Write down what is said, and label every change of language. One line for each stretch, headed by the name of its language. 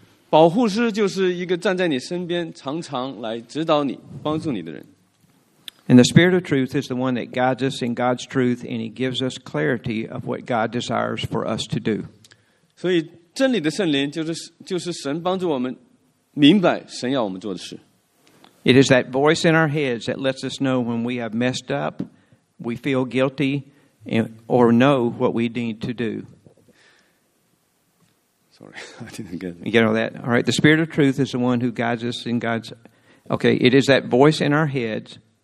Chinese: 保护师就是一个站在你身边，常常来指导你、帮助你的人。
English: And the Spirit of Truth is the one that guides us in God's truth, and He gives us clarity of what God desires for us to do.
Chinese: 所以，真理的圣灵就是神帮助我们明白神要我们做的事。
English: It is that voice in our heads that lets us know when we have messed up, we feel guilty, or know what we need to do. Sorry, I didn't get it. You get all that? All right, the Spirit of Truth is the one who guides us in God's... Okay, it is that voice in our heads...